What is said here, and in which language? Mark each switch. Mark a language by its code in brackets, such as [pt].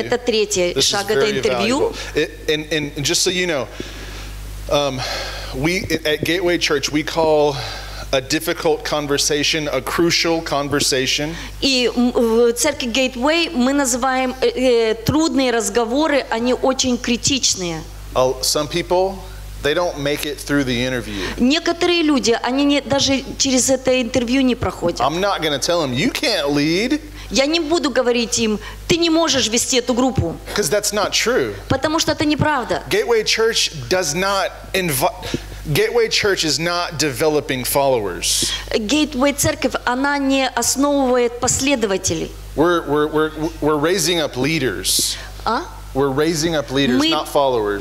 [ru] Это третий шаг, это интервью. [en] And just so you know, we at Gateway Church we call a difficult conversation a crucial conversation. [ru] И в церкви Gateway мы называем трудные разговоры, они очень критичные. [en] Some people. They don't make it through the interview. [ru] Некоторые люди, они даже через это интервью не проходят. [en] I'm not going to tell them you can't lead. [ru] Я не буду говорить им, ты не можешь вести эту группу. [en] Because that's not true. [ru] Потому что это неправда. [en] Gateway Church does not invite. Gateway Church is not developing followers. [ru] Gateway Церковь, она не основывает последователей. [en] We're raising up leaders. We're raising up leaders, not followers.